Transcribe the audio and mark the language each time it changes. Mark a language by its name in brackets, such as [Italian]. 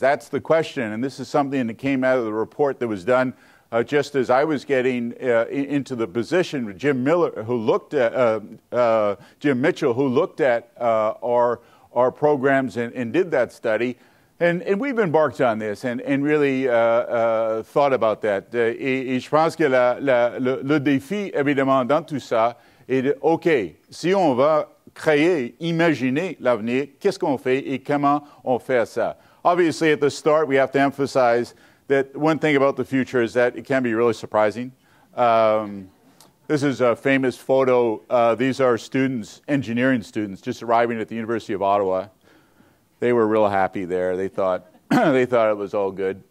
[English] That's the question, and this is something that came out of the report that was done just as I was getting into the position with Jim Miller, who looked at Jim Mitchell, who looked at our programs and did that study. And we've embarked on this and really thought about that. [French] Et je pense que le défi, évidemment, dans tout ça, est de, OK, si on va créer, imaginer l'avenir, qu'est-ce qu'on fait et comment on fait ça? [English] Obviously, at the start, we have to emphasize that one thing about the future is that it can be really surprising. This is a famous photo. These are students, engineering students, just arriving at the University of Ottawa. They were real happy there. They thought it was all good.